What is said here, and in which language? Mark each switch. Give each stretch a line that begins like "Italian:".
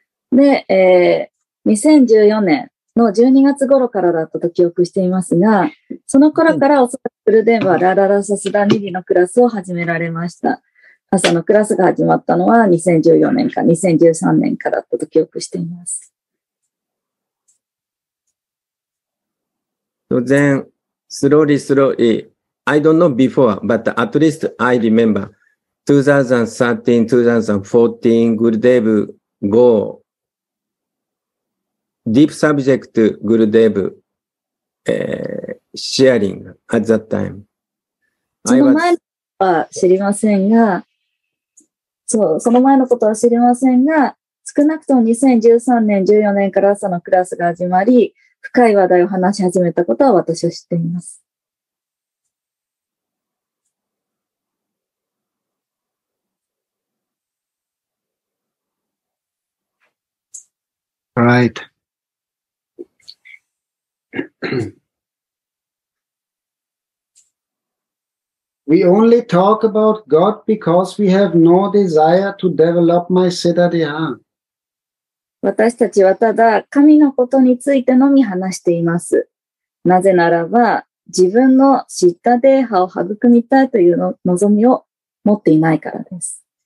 Japanese: で、2014年の12月頃からだったと記憶していますが、その頃からおそらくグルデンはラララサスダニリのクラスを始められました。朝のクラスが始まったのは2014年か2013年かだったと記憶しています。
English: Then, slowly, slowly, I don't know before, but at least I remember 2013, 2014, グルデーブ go. Deep subject Gurudev sharing at that time.
Japanese: その前のことは知りませんが、そう、その前のことは知りませんが、少なくとも2013年、14年から朝のクラスが始まり、深い話題を話し始めたことは私は知っています。
English: Right. We only talk about God because we have no desire to develop my Siddha Dhyana.
Japanese: 私たちはただ神のことについてのみ話しています。なぜならば自分のシッダデーハを育みたいというの望みを持っていないからです。